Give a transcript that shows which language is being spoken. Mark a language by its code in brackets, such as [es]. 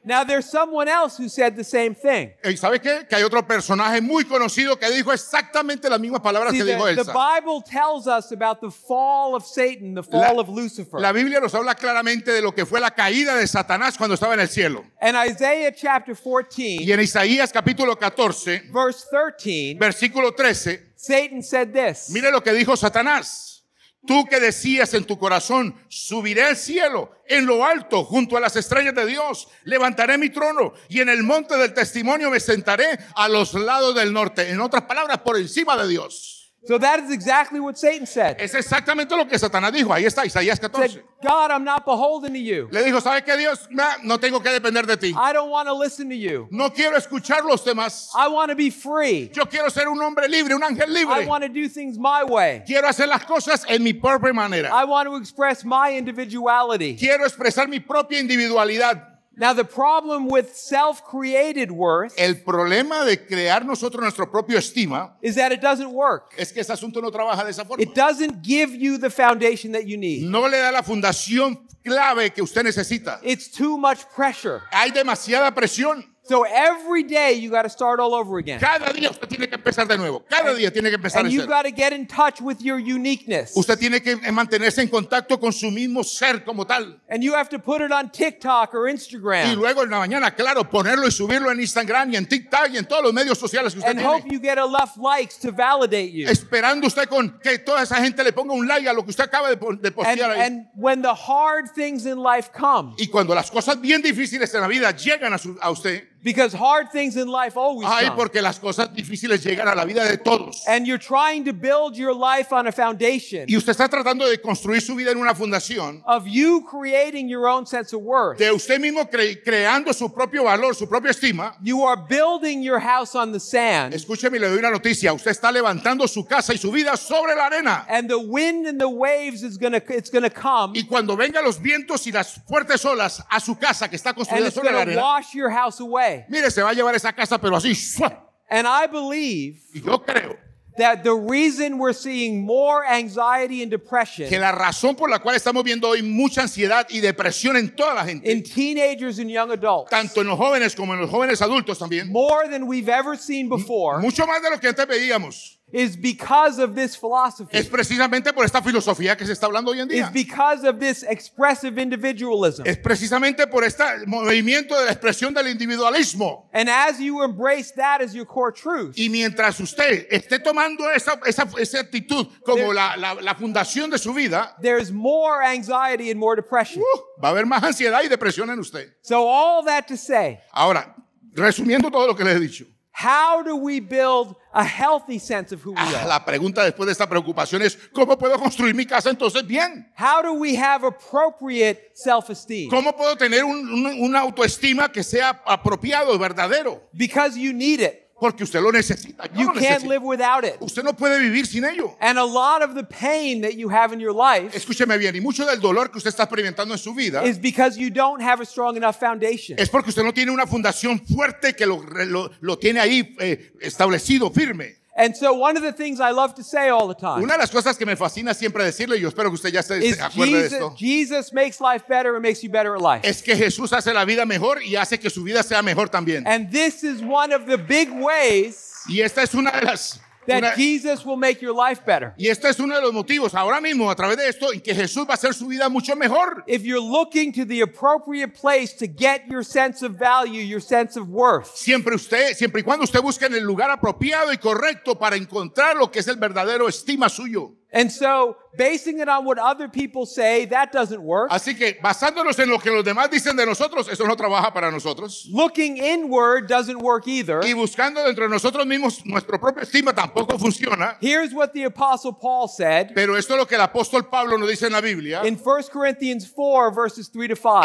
[en] Now there's someone else who said the same thing. [es] ¿Y sabe qué? Que hay otro personaje muy conocido que dijo exactamente las mismas palabras [en] See, [es] que dijo Elsa. [en] The Bible tells us about the fall of Satan, the fall of Lucifer. [es] La Biblia nos habla claramente de lo que fue la caída de Satanás cuando estaba en el cielo. [en] And Isaiah chapter 14. [es] Y en Isaías capítulo 14. [en] Verse 13. [es] Versículo 13. [en] Satan said this. [es] Mire lo que dijo Satanás. Tú que decías en tu corazón, subiré al cielo, en lo alto, junto a las estrellas de Dios, levantaré mi trono y en el monte del testimonio me sentaré a los lados del norte. En otras palabras, por encima de Dios. [en] So that is exactly what Satan said. [es] Es exactamente lo que Satanás dijo. Ahí está, Isaías 14. [en] Said, God, I'm not beholden to you. [es] Le dijo, ¿sabes qué, Dios? No tengo que depender de ti. [en] I don't want to listen to you. [es] No quiero escuchar los demás. [en] I want to be free. [es] Yo quiero ser un hombre libre, un ángel libre. [en] I want to do things my way. [es] Quiero hacer las cosas en mi propia manera. [en] I want to express my individuality. [es] Quiero expresar mi propia individualidad. [en] Now the problem with self-created worth, [es] el problema de crear nosotros nuestro propio estima, [en] is that it doesn't work. [es] Es que ese asunto no trabaja de esa forma. [en] It doesn't give you the foundation that you need. [es] No le da la fundación clave que usted necesita. [en] It's too much pressure. [es] Hay demasiada presión. [en] So every day you got to start all over again. [es] Cada día usted tiene que empezar de nuevo. Cada día tiene que empezar. [en] And you got to get in touch with your uniqueness. [es] Usted tiene que mantenerse en contacto con su mismo ser como tal. [en] And you have to put it on TikTok or Instagram. [es] Y luego en la mañana, claro, ponerlo y subirlo en Instagram y en TikTok y en todos los medios sociales que usted tiene. [en] And hope you get enough likes to validate you. [es] Esperando usted con que toda esa gente le ponga un like a lo que usted acaba de postear ahí. [en] And when the hard things in life come. [es] Y cuando las cosas bien difíciles en la vida llegan a usted. [en] Because hard things in life always come. [es] Ay, porque las cosas difíciles llegan a la vida de todos. [en] And you're trying to build your life on a foundation. [es] Y usted está tratando de construir su vida en una fundación. [en] Of you creating your own sense of worth. [es] De usted mismo creando su propio valor, su propia estima. [en] You are building your house on the sand. [es] Escúcheme, le doy una noticia. Usted está levantando su casa y su vida sobre la arena. [en] And the wind and the waves is gonna come. [es] Y cuando vengan los vientos y las fuertes olas a su casa que está construida sobre la arena. [en] And it's gonna wash your house away. [es] Mire, se va a llevar esa casa, pero así. [en] And I believe [es] yo creo [en] that the reason we're seeing more anxiety and depression [es] que la razón por la cual estamos viendo hoy mucha ansiedad y depresión en toda la gente [en] in teenagers and young adults [es] tanto en los jóvenes como en los jóvenes adultos también [en] more than we've ever seen before [es] mucho más de lo que antes veíamos [en] is because of this philosophy. [es] Es precisamente por esta filosofía que se está hablando hoy en día. [en] Is because of this expressive individualism. [es] Es precisamente por este movimiento de la expresión del individualismo. [en] And as you embrace that as your core truth. [es] Y mientras usted esté tomando esa actitud como la fundación de su vida. [en] There's more anxiety and more depression. [es] Va a haber más ansiedad y depresión en usted. [en] So all that to say. [es] Ahora, resumiendo todo lo que les he dicho. [en] How do we build a healthy sense of who we are? [es] La pregunta después de esta preocupación es ¿cómo puedo construir mi casa entonces bien? [en] How do we have appropriate self-esteem? [es] ¿Cómo puedo tener un autoestima que sea apropiado, verdadero? [en] Because you need it. [es] Porque usted lo necesita. [en] You [es] lo [en] can't [es] necesita. [en] Live without it. [es] Usted no puede vivir sin ello. [en] And a lot of the pain that you have in your life. [es] Escúcheme bien. Y mucho del dolor que usted está experimentando en su vida. [en] Is because you don't have a strong enough foundation. [es] Es porque usted no tiene una fundación fuerte que lo tiene ahí establecido, firme. [en] And so one of the things I love to say all the time. [es] Una de las cosas que me fascina siempre decirle, y yo espero que usted ya se acuerde [en] Jesus, [es] de esto. [en] Jesus makes life better and makes you better at life. [es] Es que Jesús hace la vida mejor y hace que su vida sea mejor también. [en] And this is one of the big ways. [es] Y esta es una de las [en] that Jesus will make your life better. [es] Y este es uno de los motivos ahora mismo a través de esto en que Jesús va a hacer su vida mucho mejor. [en] If you're looking to the appropriate place to get your sense of value, your sense of worth. [es] Siempre y cuando usted busque en el lugar apropiado y correcto para encontrar lo que es el verdadero estima suyo. [en] And so, basing it on what other people say, that doesn't work. [es] Así que basándonos en lo que los demás dicen de nosotros, eso no trabaja para nosotros. [en] Looking inward doesn't work either. [es] Y buscando dentro de nosotros mismos nuestro propio estima tampoco funciona. [en] Here's what the apostle Paul said. [es] Pero esto es lo que el apóstol Pablo nos dice en la Biblia. [en] In 1 Corinthians 4 verses 3 to 5.